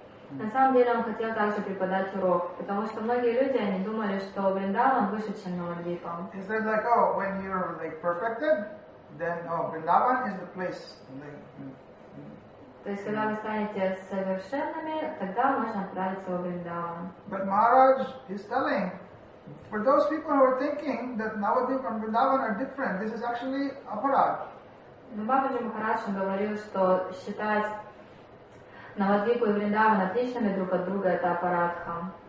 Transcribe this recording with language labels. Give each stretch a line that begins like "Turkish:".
Russian: На самом деле он хотел также преподать урок, потому что многие люди они думали, что Вриндаван выше, чем Навадвипа.
English: He said like, oh, when you're like perfected, then Vrindavan is the place.
Russian: То есть когда вы станете совершенными, тогда можно отправиться в Вриндаван.
English: But Maharaj is telling, for those people who are thinking that Navadvip and Vrindavan are different, this is actually aparad.
Russian: Но Бабаджи Махарадж говорил, что считать Навадвипу и Вриндаван отличными друг от друга – это апарадха.